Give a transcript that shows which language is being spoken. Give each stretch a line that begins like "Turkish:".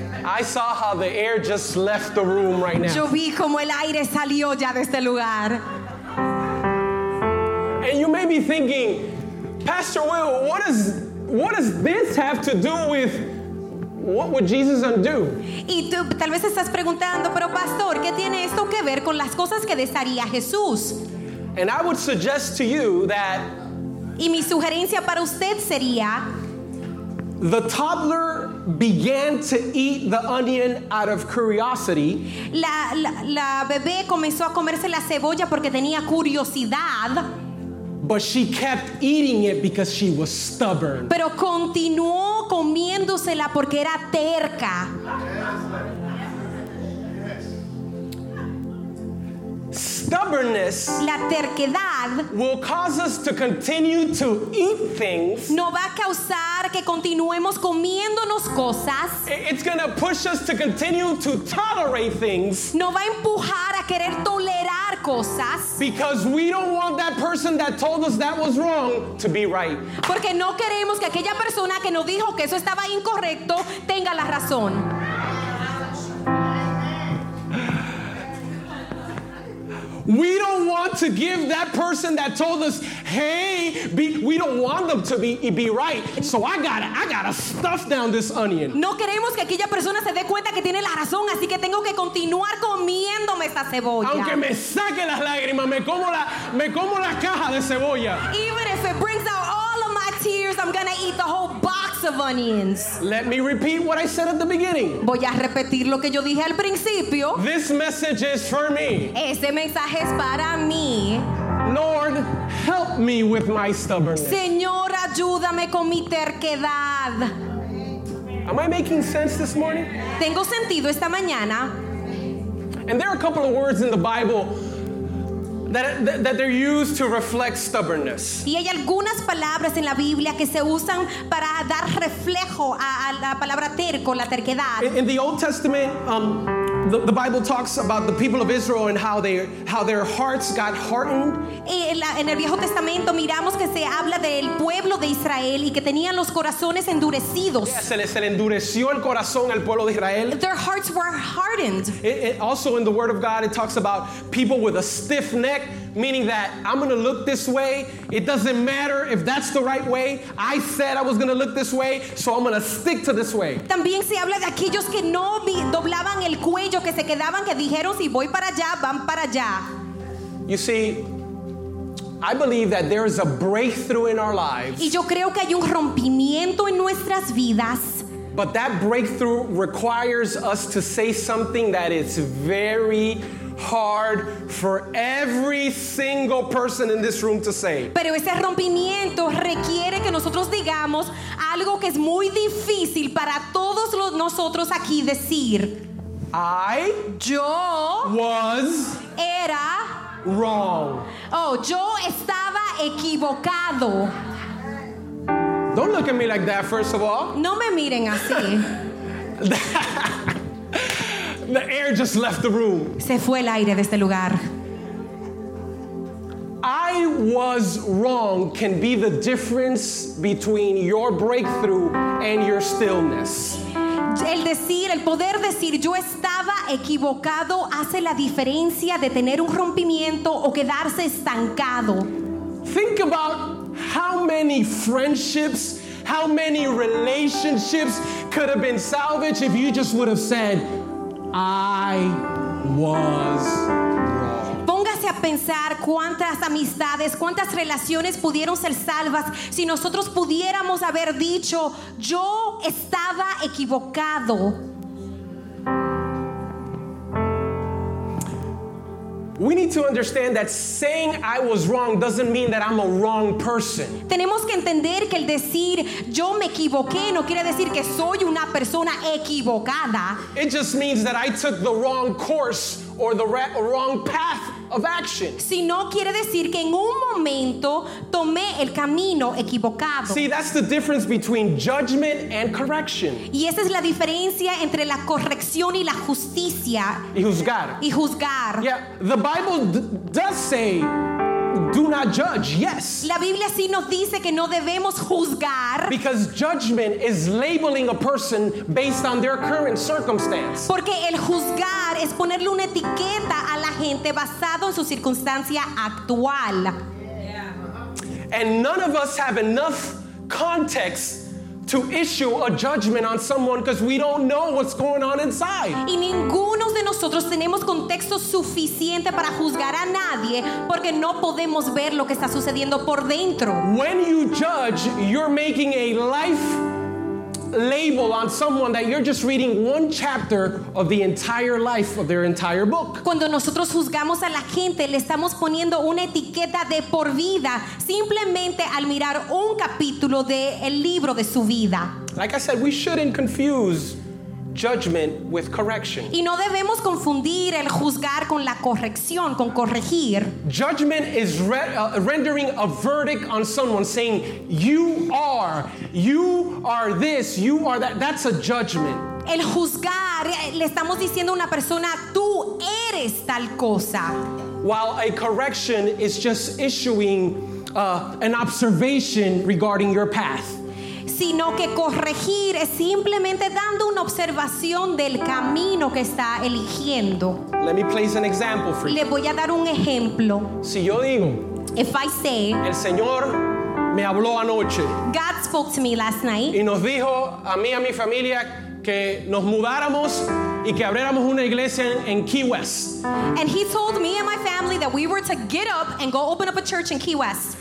English: I saw how the air just left the room right now.
Spanish: Yo vi como el aire salió ya de este lugar.
English: And you may be thinking, Pastor Will, what does this have to do with what would Jesus undo?
Spanish: Y tú tal vez estás preguntando, pero pastor, ¿qué tiene esto que ver con las cosas que desharía Jesús?
English: And I would suggest to you that.
Spanish: Y mi sugerencia para usted sería.
English: The toddler began to eat the onion out of curiosity.
Spanish: La bebé comenzó a comerse la cebolla porque tenía curiosidad.
English: But she kept eating it because she was stubborn.
Spanish: Pero continuó comiéndosela porque era terca.
English: Stubbornness,
Spanish: la terquedad,
English: will cause us to continue to eat things.
Spanish: No va a causar que continuemos comiéndonos cosas.
English: It's going to push us to continue to tolerate things.
Spanish: No va a empujar a querer tolerar cosas.
English: Because we don't want that person that told us that was wrong to be right.
Spanish: Porque no queremos que aquella persona que nos dijo que eso estaba incorrecto tenga la razón.
English: We don't want to give that person that told us, hey, we don't want them to be right. So I gotta stuff down this onion.
Spanish: No queremos que aquella persona se dé cuenta que tiene la razón, así que tengo que continuar comiéndome esta cebolla. Aunque me saque las lágrimas, me como la caja de cebolla.
English: Even if it brings out all of my tears, I'm gonna eat the whole box of onions. Let me repeat what I said at the beginning.
Spanish: Voy a repetir lo que yo dije al principio.
English: This message is for me.
Spanish: Este mensaje es para mí.
English: Lord, help me with my stubbornness.
Spanish: Señor, ayúdame con mi terquedad.
English: Am I making sense this morning?
Spanish: ¿Tengo sentido esta mañana?
English: And there are a couple of words in the Bible that they're used to reflect stubbornness.
Spanish: Y hay algunas palabras en la Biblia que se usan para dar reflejo a la palabra terco, la terquedad.
English: In the Old Testament, the Bible talks about the people of Israel and how their hearts got hardened.
Spanish: En el Viejo Testamento miramos que se habla del pueblo de Israel y que tenían los corazones endurecidos. Se le endureció el corazón al pueblo de Israel.
English: Their hearts were hardened. It also in the Word of God, it talks about people with a stiff neck, meaning that I'm going to look this way. It doesn't matter if that's the right way. I said I was going to look this way, so I'm going to stick to this way.
Spanish: También se habla de aquellos que no doblaban el cuello, que se quedaban, que dijeron, si voy para allá, van para allá.
English: You see, I believe that there is a breakthrough in our lives.
Spanish: Y yo creo que hay un rompimiento en nuestras vidas.
English: But that breakthrough requires us to say something that is very hard for every single person in this room to say.
Spanish: Pero ese rompimiento requiere que nosotros digamos algo que es muy difícil para todos nosotros aquí decir.
English: I
Spanish: yo
English: was
Spanish: era
English: wrong.
Spanish: Oh, yo estaba equivocado.
English: Don't look at me like that, first of all.
Spanish: No me miren así.
English: The air just left the room.
Spanish: Se fue el aire de este lugar.
English: I was wrong can be the difference between your breakthrough and your stillness.
Spanish: El decir, el poder decir yo estaba equivocado hace la diferencia de tener un rompimiento o quedarse estancado.
English: Think about how many friendships, how many relationships could have been salvaged if you just would have said, I was wrong.
Spanish: Póngase a pensar cuántas amistades, cuántas relaciones pudieron ser salvas si nosotros pudiéramos haber dicho, yo estaba equivocado.
English: We need to understand that saying I was wrong doesn't mean that I'm a wrong person.
Spanish: Tenemos que entender que el decir yo me equivoqué no quiere decir que soy una persona equivocada.
English: It just means that I took the wrong course or the wrong path of action.
Spanish: Si no quiere decir que en un momento tomé el camino equivocado.
English: See, that's the difference between judgment and correction.
Spanish: Y esa es la diferencia entre la corrección y la justicia. Y juzgar. Y juzgar.
English: Yeah, the Bible does say, do not judge. Yes.
Spanish: La Biblia sí nos dice que no debemos juzgar.
English: Because judgment is labeling a person based on their current circumstance.
Spanish: Porque el juzgar es ponerle una etiqueta a la gente basado en su circunstancia actual.
English: And none of us have enough context to issue a judgment on someone because we don't know what's going on inside.
Spanish: Y ninguno de nosotros tenemos contexto suficiente para juzgar a nadie porque no podemos ver lo que está sucediendo por dentro.
English: When you judge, you're making a life label on someone that you're just reading one chapter of the entire life of their entire book.
Spanish: Cuando nosotros juzgamos a la gente, le estamos poniendo una etiqueta de por vida simplemente al mirar un capítulo del libro de su vida.
English: Like I said, we shouldn't confuse judgment with correction.
Spanish: Y no debemos confundir el juzgar con la corrección, con corregir.
English: Judgment is rendering a verdict on someone, saying you are this, you are that. That's a judgment.
Spanish: El juzgar le estamos diciendo a una persona, tú eres tal cosa.
English: While a correction is just issuing an observation regarding your path.
Spanish: Sino que corregir es simplemente dando una observación del camino que está eligiendo.
English: Let me place an example for you.
Spanish: Le voy a dar un ejemplo. Si yo digo,
English: if I say,
Spanish: el Señor me habló anoche.
English: God spoke to me last night.
Spanish: Y nos dijo a mí y a mi familia que nos mudáramos y que abriéramos una iglesia en Key West.
English: And he told me and my family that we were to get up and go open up a church in Key West.